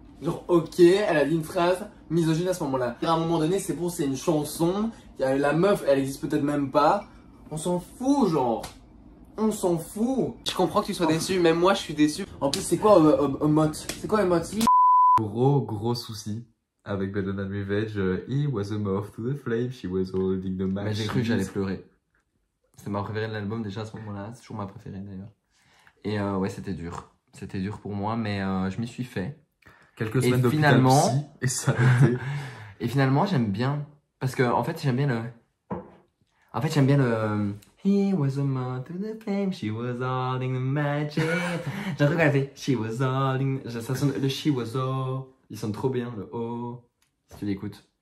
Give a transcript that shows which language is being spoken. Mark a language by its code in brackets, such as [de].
[fr] Genre, ok, elle a dit une phrase misogyne à ce moment-là. Et à un moment donné, c'est bon, c'est une chanson, la meuf, elle existe peut-être même pas. On s'en fout, genre. On s'en fout. Je comprends que tu sois déçu, même moi, je suis déçu. En plus, c'est quoi Emote? C'est quoi Emote? Gros souci avec Better Than Revenge. [en] He was a moth to the flame, she was holding the match. [fr] Mais j'ai cru que j'allais pleurer. C'est ma préférée de l'album déjà à ce moment-là. C'est toujours ma préférée, d'ailleurs. Et ouais, c'était dur. C'était dur pour moi, mais je m'y suis fait. Quelques semaines d'hôpital finalement... psy, et ça a été. Et finalement, j'aime bien. Parce que en fait, j'aime bien le... En fait, j'aime bien le « [en] He was a moth to the flame, she was holding the magic. [fr] » J'ai un truc à dire, « [en] She was holding... [fr] » Le « [en] She was all... [fr] » Ils sont trop bien, le « Oh... » Si tu l'écoutes.